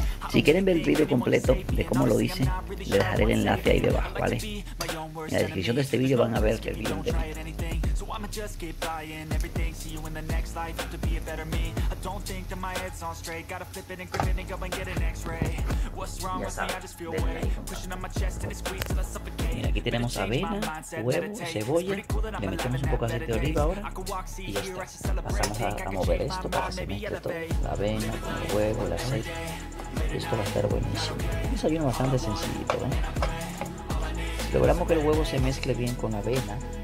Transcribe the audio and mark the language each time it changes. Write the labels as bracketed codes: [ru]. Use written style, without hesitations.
[es] Si quieren ver el video completo de cómo lo hice, les dejaré el enlace ahí debajo, ¿vale? En la descripción de este video van a ver el video entero. [en] I'ma just keep buying everything. See you in the next life. Have to be a better me. I don't think that my head's on straight. Gotta flip it and grip it and go and get an x-ray. What's wrong with me? I just feel weight pushing on my chest and it squeezes till I suffocate. [es] Mira, aquí tenemos avena, huevo, cebolla. Le metemos un poco de aceite de oliva ahora y ya está. Pasamos a mover esto para que se mezcle todo. La avena, el huevo, el aceite. Esto va a estar buenísimo. Un desayuno bastante sencillito, ¿eh? Si logramos que el huevo se mezcle bien con avena,